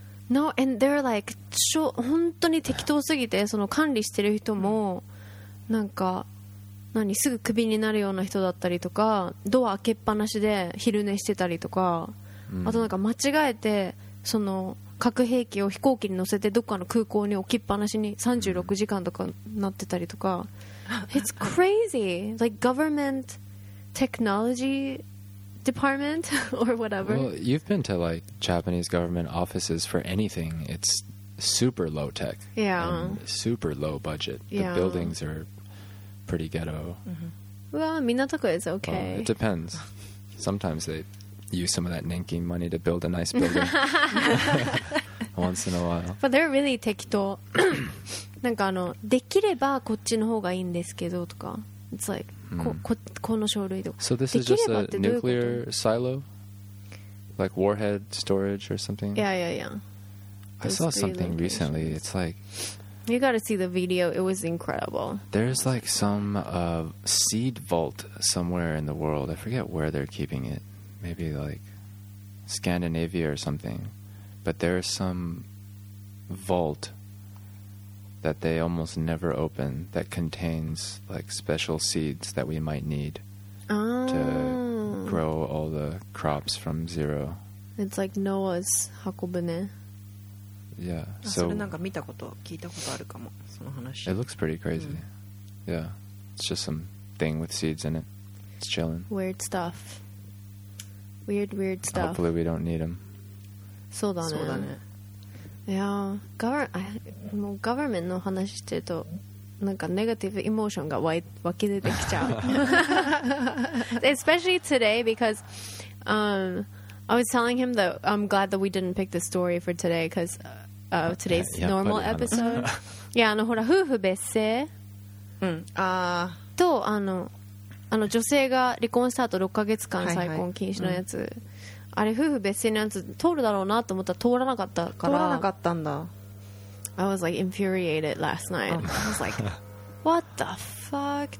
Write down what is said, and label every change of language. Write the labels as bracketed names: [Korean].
[English] No, and they're like [Japanese] 本当に適当すぎてその管理してる人もなんか何すぐクビになるような人だったりとかドア開けっぱなしで昼寝してたりとか、うん、あとなんか間違えてその核兵器を飛行機に乗せてどっかの空港に置きっぱなしに36時間とかなってたりとか、うん、 [English] It's crazy! Like government technology department or whatever. Well, you've been to like Japanese government offices for anything. It's super low tech. Yeah. Super low budget. The yeah. buildings are... pretty ghetto. Mm-hmm. Well, Minato is okay. Well, it depends. Sometimes they use some of that nanking money to build a nice building. Once in a while. But they're really 適当. [Japanese] なんかあの、できればこっちの方がいいんですけどとか。 [English] It's like, [Japanese] この書類とか。 [English] So this is just a nuclear silo? Like warhead storage or something? Yeah, yeah, yeah. I saw something recently. It's like... You gotta see the video. It was incredible. There's like some seed vault somewhere in the world. I forget where they're keeping it. Maybe like Scandinavia or something. But there's some vault that they almost never open that contains like special seeds that we might need to grow all the crops from zero. It's like Noah's Hakobune. Yeah. [Japanese] So, それなんか見たこと聞いたことあるかもその話。 [English] It looks pretty crazy.、うん、yeah. It's just some thing with seeds in it. It's chilling. Weird stuff. Weird, weird stuff. Hopefully we don't need them. [Japanese] そうだね。そうだね。いや、もう government の話してるとなんかネガティブエモーションが湧き出てきちゃう。 [English] Especially today because, I was telling him that I'm glad that we didn't pick the story for today because today's normal episode. [Japanese] yeah, あのほら夫婦別姓、うん、あとあの女性が離婚した後6ヶ月間再婚禁止のやつ、はいはい、あれ夫婦別姓のやつ通るだろうなと思ったら通らなかったから通らなかったんだ。 [English] I was like infuriated last night. I was like, what the fuck?